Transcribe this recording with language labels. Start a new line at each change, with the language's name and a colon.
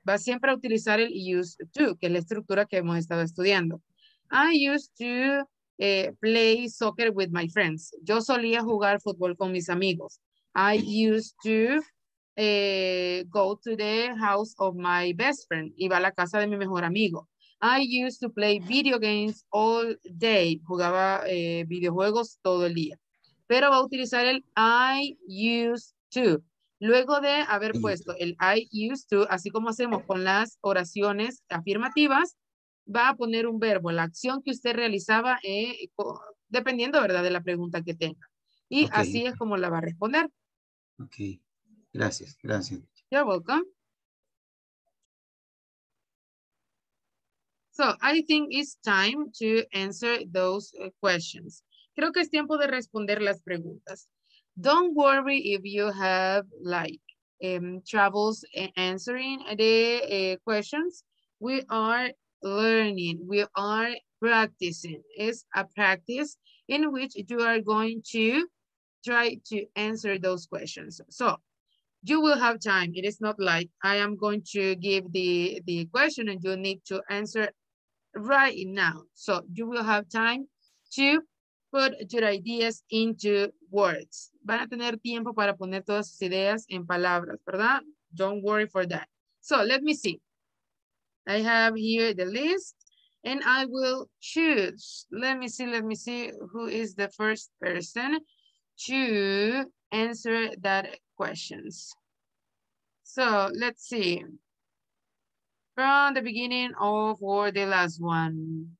Spanish: Va siempre a utilizar el used to, que es la estructura que hemos estado estudiando.
English: I used to play soccer with my friends.
Spanish: Yo solía jugar fútbol con mis amigos.
English: I used to go to the house of my best friend.
Spanish: Iba a la casa de mi mejor amigo.
English: I used to play video games all day.
Spanish: Jugaba videojuegos todo el día. Pero va a utilizar el I used to. Luego de haber puesto el I used to, así como hacemos con las oraciones afirmativas, va a poner un verbo, la acción que usted realizaba, dependiendo, ¿verdad?, de la pregunta que tenga. Y okay, así es como la va a responder. Ok. Gracias, gracias.
English: You're welcome. So, I think it's time to answer those questions.
Spanish: Creo que es tiempo de responder las preguntas.
English: Don't worry if you have, like, troubles answering the questions. We are learning. We are practicing. It's a practice in which you are going to try to answer those questions. So, you will have time. It is not like I am going to give the question and you need to answer right now. So you will have time to put your ideas into words.
Spanish: Van a tener tiempo para poner todas sus ideas en palabras, ¿verdad?
English: Don't worry for that. So let me see. I have here the list and I will choose. Let me see who is the first person to answer that questions. So let's see. From the beginning of or the last one.